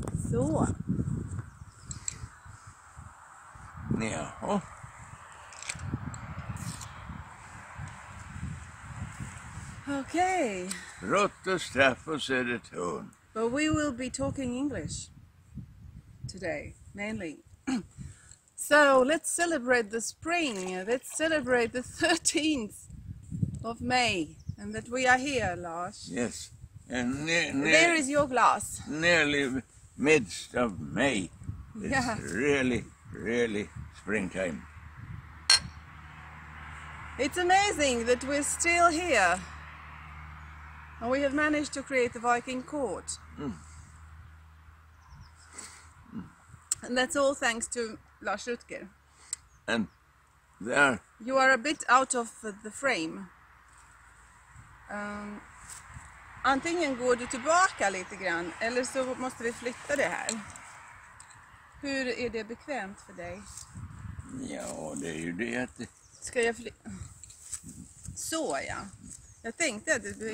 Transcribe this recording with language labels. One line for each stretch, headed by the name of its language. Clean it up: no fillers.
Swedish: Så. Jaha.
English: Okay.
Swedish: Rott och straff och södertorn.
English: But we will be talking English today, mainly. So let's celebrate the spring. Let's celebrate the 13th of May. And that we are here, Lars. Yes. And there is your glass. Nearly midst of May. It's yeah. Really, really springtime. It's amazing that we're still here. And we have managed to create the Viking court. Mm. Mm. And that's all thanks to Lars Rutger. And there... You are a bit out of the frame.
Swedish: Antingen går du tillbaka lite grann, eller så måste vi flytta det här. Hur är det bekvämt för dig? Ja, det är ju det att... Ska jag Så, ja. Jag tänkte att du...